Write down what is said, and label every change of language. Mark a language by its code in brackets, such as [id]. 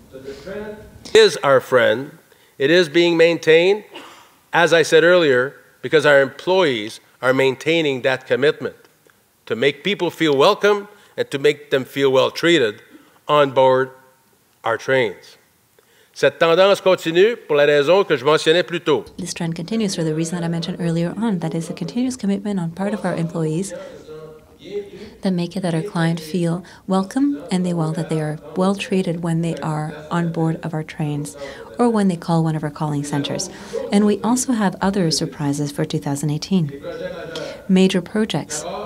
[en] It is our friend. It is being maintained, as I said earlier, because our employees are maintaining that commitment to make people feel welcome and to make them feel well treated on board our trains. [fr] Cette tendance continue pour la raison que je mentionnais plus tôt. [en] This trend continues for the reason that I mentioned earlier on, that is a continuous commitment on part of our employees that make it that our client feel welcome and they well that they are well treated when they are on board of our trains or when they call one of our calling centers. And we also have other surprises for 2018. Major projects.